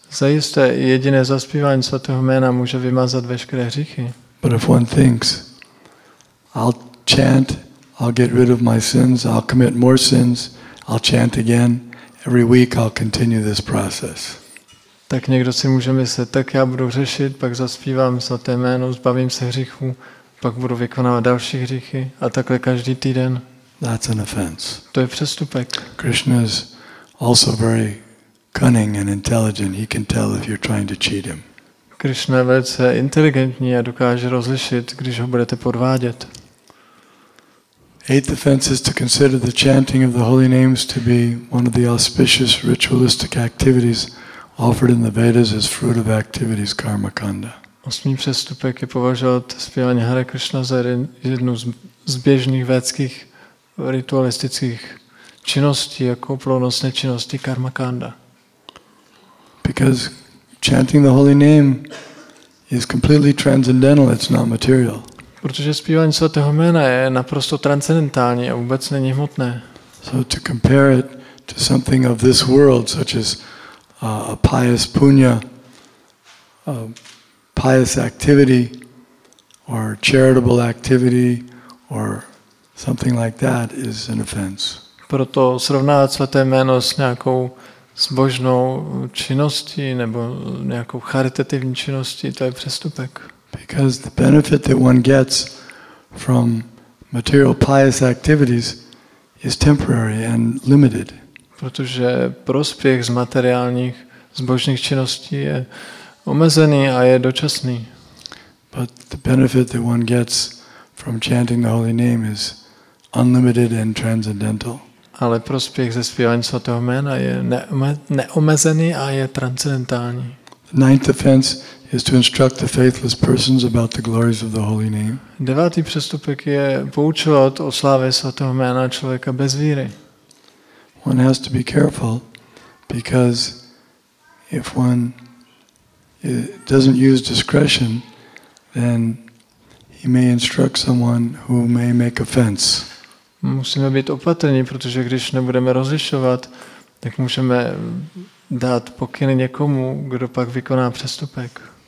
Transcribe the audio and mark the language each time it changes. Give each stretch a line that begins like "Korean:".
Czech: Zajisté, jediné zaspívání svatého jména může vymazat veškeré hříchy.
English: But if one thinks, I'll chant, I'll get rid of my sins, I'll commit more sins, I'll chant again, every week I'll continue this process.
Czech: Tak někdo si může myslet, tak já budu řešit, pak zaspívám svaté jméno, zbavím se hříchu, pak budu vykonávat další hříchy a takhle každý týden.
English: That's an offense.
Czech: To je přestupek.
English: Krishna is also very cunning and intelligent. He can tell if you're trying to cheat him.
Czech: Krishna je velice inteligentní a dokáže rozlišit, když ho budete podvádět.
English: Eighth offense is to consider the chanting of the holy names to be one of the auspicious ritualistic activities offered in the Vedas as fruit of activities karma kanda.
Czech: Osmý přestupek je považovat zpívání Hare Krishna za jednu z běžných védských ritualistických činností jako plnonosné činnosti karma kanda.
English: Because chanting the holy name is completely transcendental, it's not material.
Czech: Protože zpívání svatého jména je naprosto transcendentální a vůbec není hmotné.
English: So to compare it to something of this world such as a pious punya, a pious activity, or charitable activity, or something like that is an offense.
Czech: Proto srovnávat svaté jméno s nějakou zbožnou činností nebo nějakou charitativní činností, to je přestupek.
English: Because the benefit that one gets from material pious activities is temporary and limited.
Czech: Protože prospěch z materiálních zbožných činností je omezený a je dočasný.
English: But the benefit that one gets from chanting the holy name is unlimited and transcendental.
Czech: Ale prospěch ze zpívání svatého jména je neomezený a je transcendentální.
English: The ninth offense is to instruct the faithless persons about the glories of the holy name.
Czech: Devátý přestupek je poučovat o slávě svatého jména člověka bez víry.
English: One has to be careful because if one doesn't use discretion, then he may instruct someone who may make offense.
Czech: Musíme být opatrní, protože když nebudeme rozlišovat, tak můžeme dát pokyny někomu, kdo pak vykoná přestupek.